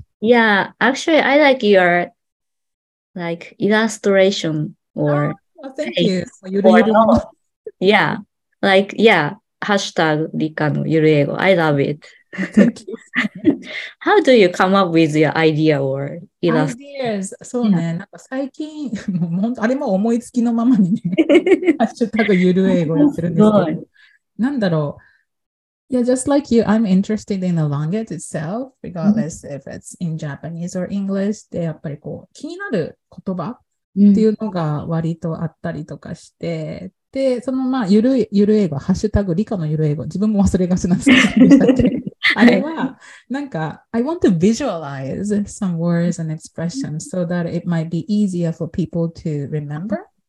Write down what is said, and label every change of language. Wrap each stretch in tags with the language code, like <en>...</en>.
<en>Yeah, actually, I like your like illustration or... Oh, well, thank you for your little... Yeah, like, yeah, hashtag Rika no Yuru Eigo. I love it. Thank you. How do you come up with your idea or ideas?</en> <ja>そうね、yeah. なんか最近もう本当あれも思いつきのままにね、ハッシュタグゆる英語やってるんですけど、なんだろう。</ja> <en>Yeah, just like you, I'm interested in the language itself, regardless、mm-hmm. if it's in Japanese or English.</en> <ja>で、やっぱりこう気になる言葉っていうのが割とあったりとかして。</ja> <en>Mm-hmm.</en> <ja>で、そのまあゆる英語、ハッシュタグ、理科のゆる英語、自分も忘れがちなんですけど、あれは、なんか、</ja> <en>I want to visualize some words and expressions so that it might be easier for people to remember.</en>